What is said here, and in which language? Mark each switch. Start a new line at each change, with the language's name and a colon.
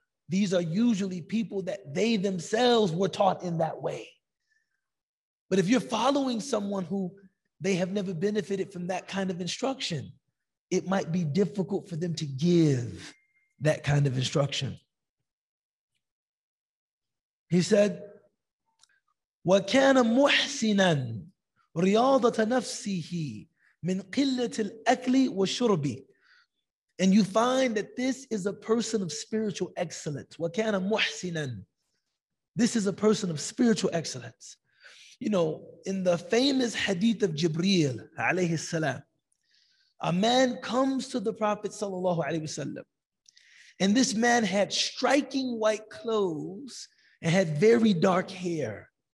English: These are usually people that they themselves were taught in that way. But if you're following someone who they have never benefited from that kind of instruction, it might be difficult for them to give that kind of instruction. He said,
Arabic: وَكَانَ مُحْسِنًا رِيَاضَةَ نَفْسِهِ مِنْ قِلَّةِ الْأَكْلِ وَشُرْبِ.
English: And you find that this is a person of spiritual excellence.
Arabic: وَكَانَ مُحْسِنًا.
English: This is a person of spiritual excellence. You know, in the famous hadith of Jibreel, alayhi salam, a man comes to the Prophet, sallallahu alayhi wasallam, and this man had striking white clothes and had very dark hair.